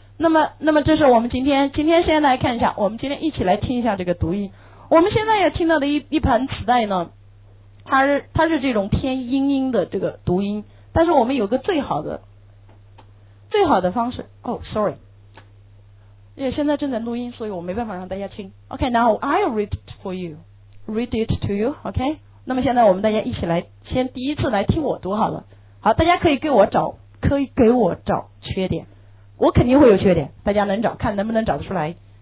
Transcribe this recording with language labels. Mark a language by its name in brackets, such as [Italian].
[Chinese] 那么这是我们今天先来看一下，我们今天一起来听一下这个读音。我们现在也听到的一盘磁带呢，它是这种偏阴阴的这个读音，但是我们有个最好的方式。哦、oh, ，sorry， 因为现在正在录音，所以我没办法让大家听。 [English] OK， now I'll read it for you， read it to you。 [Chinese] OK， 那么现在我们大家一起来，先第一次来听我读好了。好，大家可以给我找缺点。我肯定会有缺点，大家能找，看能不能找得出来。